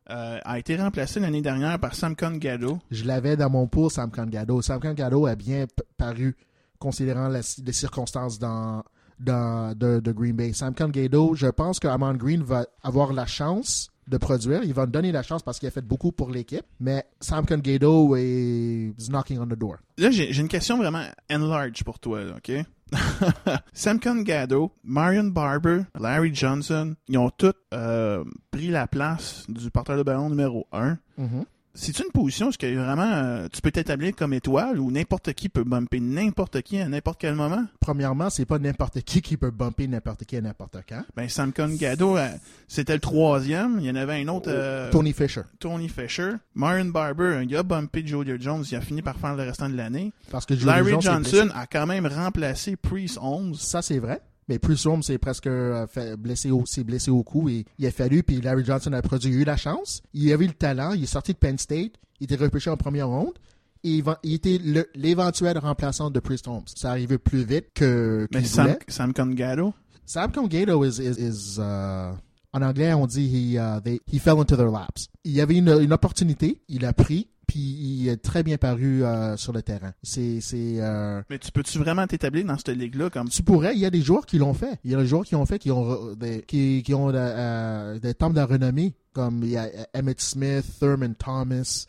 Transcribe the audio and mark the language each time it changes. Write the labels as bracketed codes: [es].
[fr] A été remplacé l'année dernière par Sam Congado. Je l'avais dans mon pool, Sam Congado. Sam Congado a bien paru, considérant les circonstances de Green Bay. Sam Congado, je pense qu'Amon Green va avoir la chance de produire. Il va me donner la chance parce qu'il a fait beaucoup pour l'équipe. [en] Mais Sam Congado is knocking on the door. [fr] Là, j'ai une question vraiment enlarge pour toi, OK? Sam Congado, Marion Barber, Larry Johnson, ils ont tous pris la place du porteur de ballon numéro 1. Mm-hmm. C'est-tu une position où vraiment tu peux t'établir comme étoile ou n'importe qui peut bumper n'importe qui à n'importe quel moment? Premièrement, c'est pas n'importe qui peut bumper n'importe qui à n'importe quand. Ben, Sam Congado, c'était le troisième. Il y en avait un autre. Tony Fisher. Tony Fisher. Marion Barber, il a bumpé Julio Jones. Il a fini par faire le restant de l'année. Parce que Larry Johnson a quand même remplacé Priest Holmes. Ça, c'est vrai. Mais Priest Holmes s'est presque blessé au cou et il a fallu. Puis Larry Johnson a produit, il a eu la chance. Il a eu le talent. Il est sorti de Penn State. Il était repêché en première ronde. Et il était l'éventuel remplaçant de Priest Holmes. Ça arrivait plus vite qu'il voulait. Mais Sam Congado? Sam Congado is en anglais, on dit [en] he fell into their laps. [fr] Il y avait une opportunité. Il a pris. Puis il est très bien paru sur le terrain. Mais tu peux-tu vraiment t'établir dans cette ligue-là comme tu pourrais. Il y a des joueurs qui l'ont fait. Il y a des joueurs qui l'ont fait, qui ont des temples de renommée comme il y a Emmitt Smith, Thurman Thomas.